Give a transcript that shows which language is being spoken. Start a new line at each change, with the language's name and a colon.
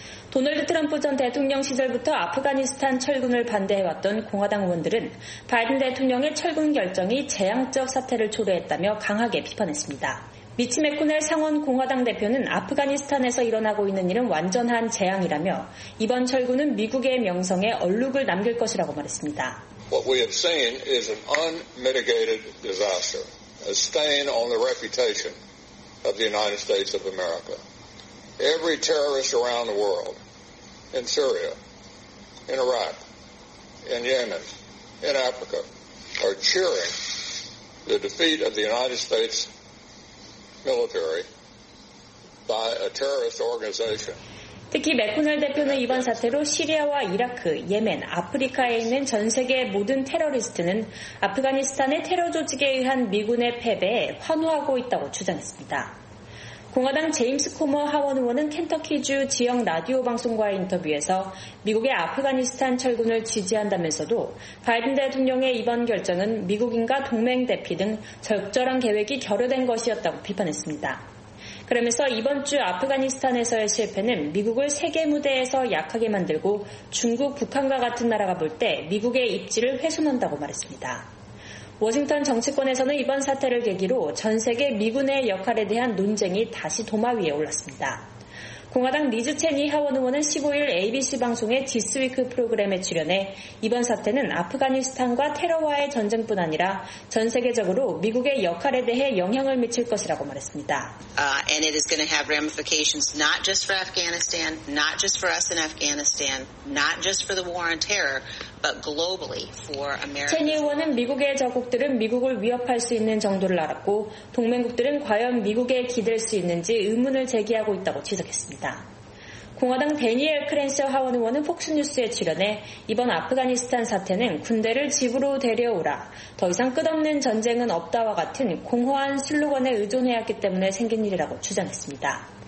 Korean: 도널드 트럼프 전 대통령 시절부터 아프가니스탄 철군을 반대해왔던 공화당 의원들은 바이든 대통령의 철군 결정이 재앙적 사태를 초래했다며 강하게 비판했습니다. 미치 맥코넬 상원 공화당 대표는 아프가니스탄에서 일어나고 있는 일은 완전한 재앙이라며 이번 철군은 미국의 명성에 얼룩을 남길 것이라고 말했습니다.
English: What we have seen is an unmitigated disaster, a stain on the reputation of the United States of America. Every terrorist around the world, in Syria, in Iraq, in Yemen, in Africa, are cheering the defeat of the United States military by a terrorist organization.
Korean: 특히 맥코넬 대표는 이번 사태로 시리아와 이라크, 예멘, 아프리카에 있는 전 세계의 모든 테러리스트는 아프가니스탄의 테러 조직에 의한 미군의 패배에 환호하고 있다고 주장했습니다. 공화당 제임스 코머 하원 의원은 켄터키주 지역 라디오 방송과의 인터뷰에서 미국의 아프가니스탄 철군을 지지한다면서도 바이든 대통령의 이번 결정은 미국인과 동맹 대피 등 적절한 계획이 결여된 것이었다고 비판했습니다. 그러면서 이번 주 아프가니스탄에서의 실패는 미국을 세계 무대에서 약하게 만들고 중국, 북한과 같은 나라가 볼 때 미국의 입지를 훼손한다고 말했습니다. 워싱턴 정치권에서는 이번 사태를 계기로 전 세계 미군의 역할에 대한 논쟁이 다시 도마 위에 올랐습니다. 공화당 리즈 체니 하원 의원은 15일 ABC 방송의 디스위크 프로그램에 출연해 이번 사태는 아프가니스탄과 테러와의 전쟁뿐 아니라 전 세계적으로 미국의 역할에 대해 영향을 미칠 것이라고 말했습니다.
English: And it is going to have ramifications not just for Afghanistan, not just for us in Afghanistan, not just for the war on terror, but globally for America.
Korean: 체니 의원은 미국의 적국들은 미국을 위협할 수 있는 정도를 알았고 동맹국들은 과연 미국에 기댈 수 있는지 의문을 제기하고 있다고 지적했습니다. 공화당 데니엘 크랜셔 하원 의원은 폭스뉴스에 출연해 이번 아프가니스탄 사태는 군대를 집으로 데려오라, 더 이상 끝없는 전쟁은 없다와 같은 공허한 슬로건에 의존해왔기 때문에 생긴 일이라고 주장했습니다.